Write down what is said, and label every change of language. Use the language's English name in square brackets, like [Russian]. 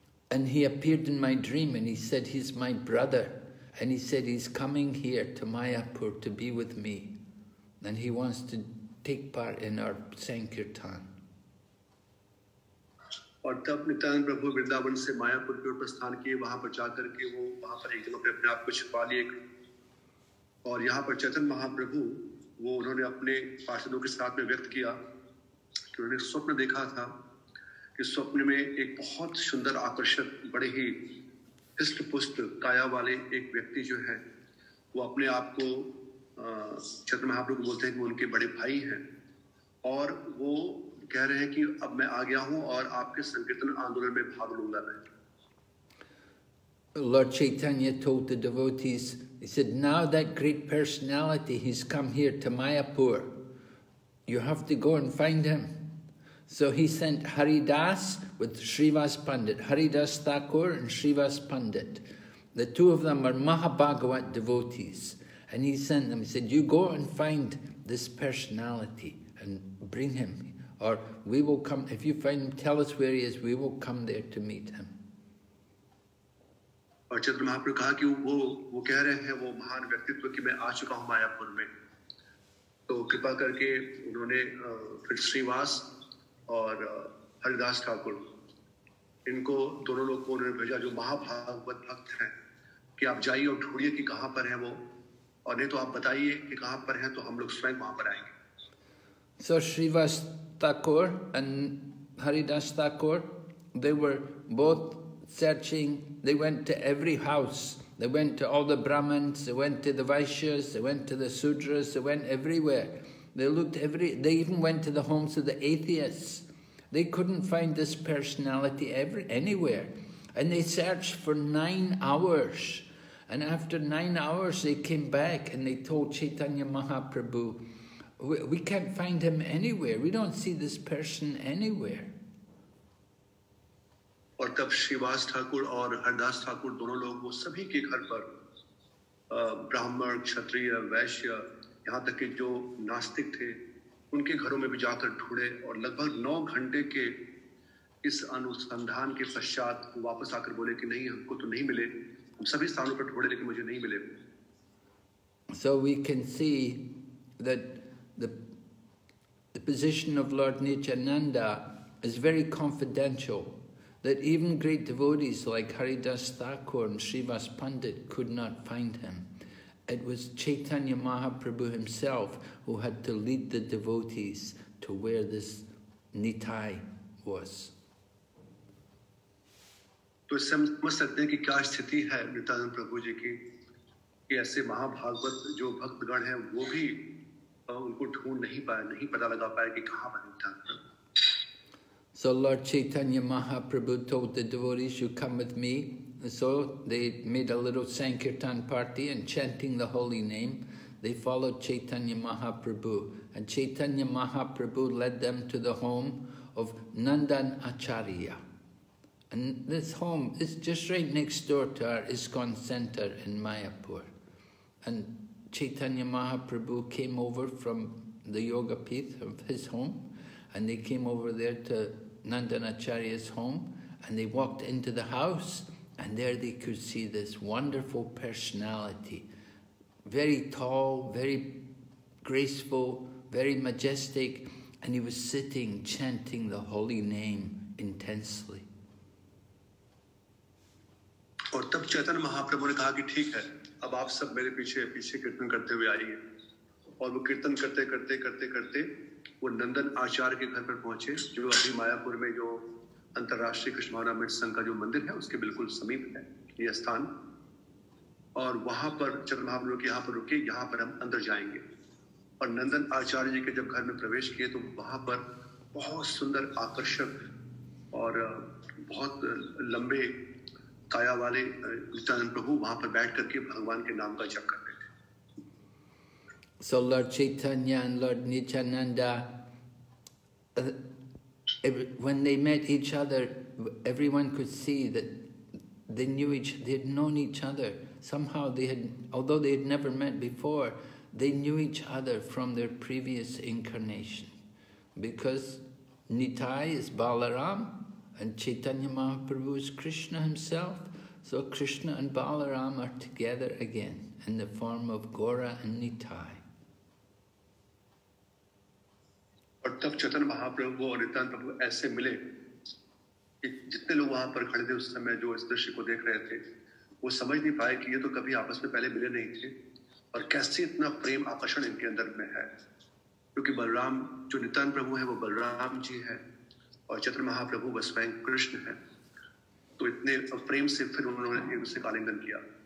[English] And he appeared in my dream and he said, he's my brother. And he said, he's coming here to Mayapur to be with me. And he wants to take part in our Sankirtan. [Hindi] और तब नित्यानंद प्रभु वृंदावन से मायापुर की ओर प्रस्थान किए, वहां पर जाकर के वो वहां पर एक दिन अपने आप को छिपा लिए, और यहां पर चैतन्य महाप्रभु वो उन्होंने अपने पार्षदों के साथ में व्यक्त किया कि उन्होंने स्वप्न देखा था कि स्वप्न में एक बहुत सुंदर आकर्षक बड़े ही हृष्ट पुष्ट काया वाले एक व्यक्ति जो है वो अपने आप को चैतन्य महाप्रभु बोलते हैं कि उनके बड़े भाई हैं, और वो कह रहे हैं कि अब मैं आ गया हूं और आपके संकीर्तन आंदोलन में भाग लूंगा मैं। [English] Lord Chaitanya told the devotees, he said, now that great personality, he's come here to Mayapur. You have to go and find him. So he sent Haridas with Srivas Pandit, Haridas Thakur and Srivas Pandit. The two of them are Mahabhagavat devotees. And he sent them, he said, you go and find this personality and bring him. Or we will come, if you find him, tell us where he is, we will come there to meet him. [Hindi] और चंद्र महाप्रभु कहा कि वो कह रहे हैं वो महान व्यक्तित्व कि मैं आ चुका हूँ मायापुर में, तो कृपा करके उन्होंने फिर श्रीवास और हरिदास ठाकुर इनको दोनों लोग को उन्होंने भेजा जो महाभागवत भक्त हैं कि आप जाइए और ढूंढिए कि कहाँ पर है वो, और नहीं तो आप बताइए कि कहाँ पर है तो हम लोग स्वयं वहां पर आएंगे। [English] So, Srivas Thakur and Haridas Thakur, they were both searching. They went to every house. They went to all the Brahmins. They went to the Vaishyas. They went to the Sudras. They went everywhere. They even went to the homes of the atheists. They couldn't find this personality anywhere. And they searched for 9 hours. And after 9 hours, they came back and they told Chaitanya Mahaprabhu, we can't find him anywhere. We don't see this person anywhere. [Hindi] और तब श्रीवास ठाकुर और हरदास ठाकुर दोनों लोग वो सभी के घर पर ब्राह्मण क्षत्रिय वैश्य यहाँ तक कि जो नास्तिक थे उनके घरों में भी जाकर ढूंढे, और लगभग 9 घंटे के इस अनुसंधान के पश्चात वापस आकर बोले कि नहीं, हमको तो नहीं मिले, हम सभी स्थानों पर ढूंढे लेकिन मुझे नहीं मिले। [English] So we can see that the position of Lord Nityananda is very confidential. That even great devotees like Haridas Thakur and Srivas Pandit could not find him. It was Chaitanya Mahaprabhu himself who had to lead the devotees to where this Nitai was. [Hindi] तो इससे हम समझ सकते हैं कि क्या स्थिति है नित्यानंद प्रभु जी की, कि ऐसे महाभागवत जो भक्तगण हैं वो भी उनको ढूंढ नहीं पाए, नहीं पता लगा पाए कि कहाँ पर Nityanand. [English] So Lord Chaitanya Mahaprabhu told the devotees, you come with me. And so they made a little Sankirtan party and chanting the holy name, they followed Chaitanya Mahaprabhu. And Chaitanya Mahaprabhu led them to the home of Nandan Acharya. And this home is just right next door to our ISKCON center in Mayapur. And Chaitanya Mahaprabhu came over from the Yogapith of his home, and they came over there to Nandanacharya's home, and they walked into the house, and there they could see this wonderful personality, very tall, very graceful, very majestic, and he was sitting chanting the holy name intensely. [Hindi] और तब चैतन्य महाप्रभु ने कहा कि ठीक है, अब आप सब मेरे पीछे पीछे कीर्तन करते हुए आइए, और वो कीर्तन करते करते करते करते वो नंदन आचार्य के घर पर पहुंचे जो अभी मायापुर में जो अंतर्राष्ट्रीय कृष्णा मिट संघ का जो मंदिर है उसके बिल्कुल समीप है ये स्थान, और वहां पर चंद्रभाव लोग यहाँ पर रुके, यहाँ पर हम अंदर जाएंगे। और नंदन आचार्य जी के जब घर में प्रवेश किए तो वहां पर बहुत सुंदर आकर्षक और बहुत लंबे काया वाले नित्यानंद प्रभु वहां पर बैठ करके भगवान के नाम का जप कर। [English] So Lord Chaitanya and Lord Nityananda, when they met each other, everyone could see that they knew each, they had known each other. Somehow they had, although they had never met before, they knew each other from their previous incarnation. Because Nitai is Balaram and Chaitanya Mahaprabhu is Krishna himself. So Krishna and Balaram are together again in the form of Gora and Nitai. [Hindi] और तब चेतन महाप्रभु और नित्यानंद प्रभु ऐसे मिले जितने लोग वहां पर खड़े थे उस समय जो इस दृश्य को देख रहे थे वो समझ नहीं पाए कि ये तो कभी आपस में पहले मिले नहीं थे और कैसे इतना प्रेम आकर्षण इनके अंदर में है, क्योंकि बलराम जो नित्यानंद प्रभु है वो बलराम जी है और चतुर महाप्रभु बस स्वयं कृष्ण है, तो इतने प्रेम से फिर उन्होंने आलिंगन किया।